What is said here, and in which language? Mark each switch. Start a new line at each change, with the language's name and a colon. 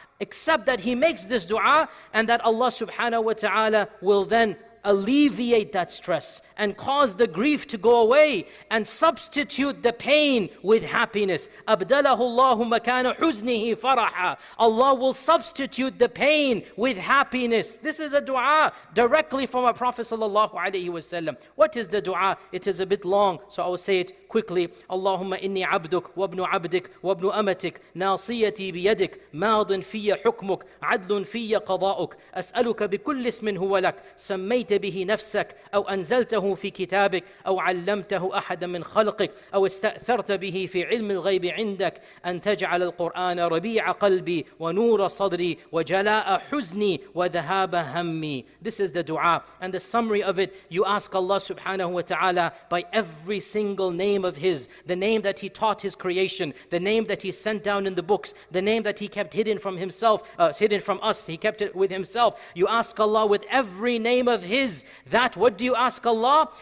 English: Except that he makes this dua and that Allah subhanahu wa ta'ala will then alleviate that stress and cause the grief to go away and substitute the pain with happiness.
Arabic: أَبْدَلَهُ اللَّهُ مَكَانَ حُزْنِهِ فَرَحًا.
English: Allah will substitute the pain with happiness. This is a dua directly from our Prophet sallallahu alayhi wa sallam. What is the dua? It is a bit long, so I will say it quickly.
Arabic: اللهم إني عبدك وابن عبدك وابن أمتك ناصيتي بيدك ماض في حكمك عدل في قضاءك أسألك بكل اسم هو لك سمي به نفسك أو أنزلته في كتابك أو علمته أحدا من خلقك أو استأثرت به في علم الغيب عندك أن تجعل القرآن ربيع قلبي ونور صدري وجلاء حزني وذهاب همي.
English: This is the dua and the summary of it. You ask Allah subhanahu wa ta'ala by every single name of His, the name that He taught His creation, the name that He sent down in the books, the name that He kept hidden from Himself, hidden from us, He kept it with Himself. You ask Allah with every name of His, that what do you ask Allah?